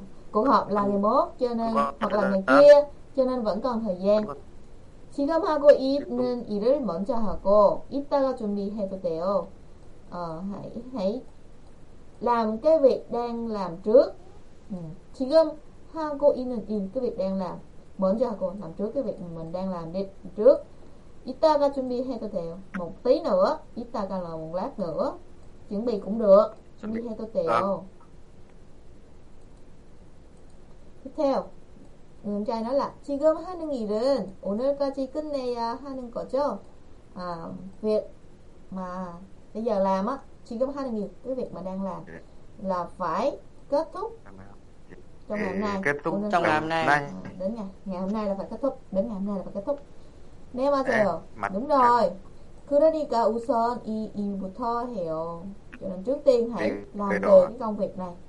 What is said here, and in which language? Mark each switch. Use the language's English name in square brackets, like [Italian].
[Vietnamese] Cuộc họp là ngày mốt cho nên hoặc là ngày kia cho nên vẫn còn thời gian. [Korean] 지금 하고 있는 일을 먼저 하고 이따가 준비해도 돼요. [Vietnamese] Hãy làm cái việc đang làm trước. [Korean] 지금 하고 있는 일, [Vietnamese] cái việc đang làm. [Korean] 먼저 하고, [Vietnamese] làm trước cái việc mình đang làm đi trước. [Korean] 이따가 준비해도 돼요. [Vietnamese] Một tí nữa. [Korean] 이따가 [Vietnamese] là một lát nữa. Chuẩn bị cũng được. [Korean] 준비해도 돼요. [Vietnamese] Tiếp theo. Người trai nói là [Korean] 지금 하는 일은 오늘까지 끝내야 하는 거죠. [Vietnamese] Việc mà bây giờ làm á, [Korean] 지금 하는 일, [Vietnamese] cái việc mà đang làm là phải kết thúc trong ngày hôm nay. Kết thúc trong ngày hôm nay. Đến ngày hôm nay là phải kết thúc. Đến ngày hôm nay là phải kết thúc. [Korean] 네 맞아요. [Vietnamese] Đúng rồi. [Korean] 그러니까 우선 이 일부터 해요. [Vietnamese] Cho nên trước tiên hãy làm về cái công việc này.